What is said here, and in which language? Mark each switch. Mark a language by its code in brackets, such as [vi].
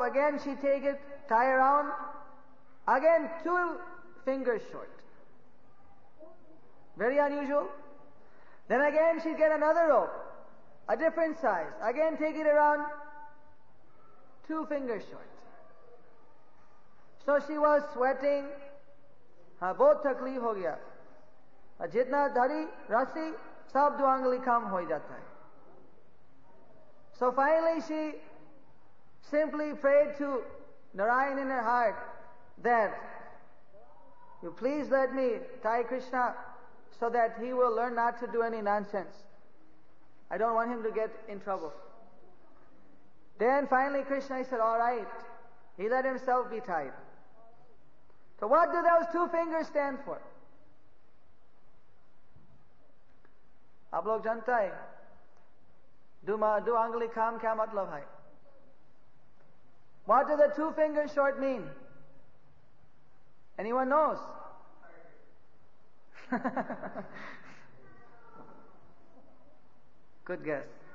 [en] Again, she'd take it, tie around. Again, 2 fingers short. Very unusual. Then again, she'd get another rope, a different size. Again, take it around, 2 fingers short. So she was sweating. [hi] हा, बहुत तकलीफ हो गया। जितना धरी, रसी, सब दुअंगली कम हो जाता है। [en] So finally she simply prayed to Narayan in her heart that you please let me tie Krishna so that he will learn not to do any nonsense. I don't want him to get in trouble. Then finally Krishna said, all right. He let himself be tied. So what do those 2 fingers stand for? [hi] आप लोग जानते हैं। दो अंगली कम क्या मतलब है? [en] What do the 2 fingers short mean? Anyone knows? Good guess.